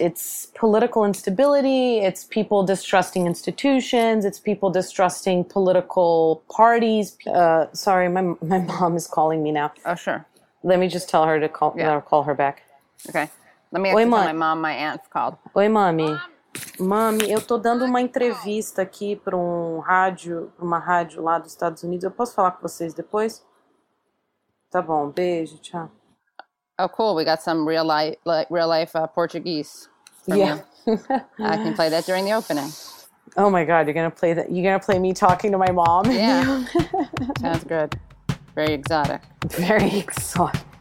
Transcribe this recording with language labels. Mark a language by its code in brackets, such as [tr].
[en] It's political and stability. It's people distrusting institutions. It's people distrusting political parties. Sorry, my mom is calling me now. Oh, sure. Let me just tell her to call. Yeah. Call her back. Okay. Let me actually tell my mom. My aunt's called. [pt] Oi, mami. Mami, eu tô dando uma entrevista aqui para uma rádio lá dos Estados Unidos. Eu posso falar com vocês depois? Tá bom. Beijo. Tchau. [en] Oh, cool. We got some real life Portuguese. Yeah. I can play that during the opening. Oh my God, you're going to play that? You're going to play me talking to my mom? Yeah. Sounds good. Very exotic. Very exotic.